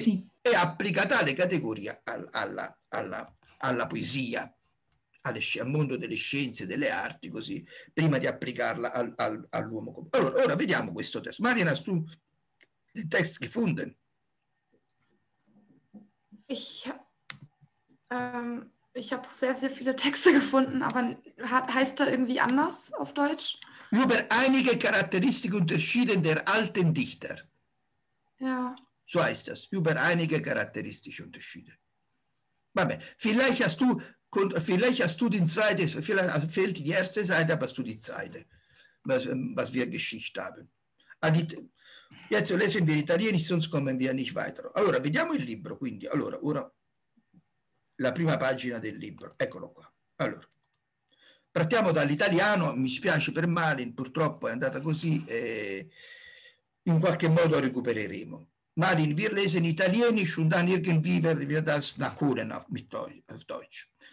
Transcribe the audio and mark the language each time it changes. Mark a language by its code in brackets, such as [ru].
[it] Sì. e applica tale categoria alla poesia, al mondo delle scienze, delle arti, così, prima di applicarla all'uomo. Allora, ora vediamo questo testo. Marinas, tu, il testo che funde. [de] Ich habe sehr, sehr viele Texte gefunden, aber heißt er irgendwie anders auf Deutsch? Über einige Charakteristik unterschieden der alten Dichter. Ja. So heißt das. Über einige charakteristische Unterschiede. Vabbè, vielleicht hast du die zweite, vielleicht fehlt die erste Seite, aber hast du die zweite, was wir geschickt haben. Jetzt lesen wir Italienisch, sonst kommen wir nicht weiter. [it] Allora, vediamo il libro, quindi. Allora, ora, la prima pagina del libro. Eccolo qua. Allora. Partiamo dall'italiano, mi spiace per Malin, purtroppo è andata così, e in qualche modo recupereremo. [de] Malin, wir lesen italienisch und dann irgendwie werden wir das nachholen auf Deutsch.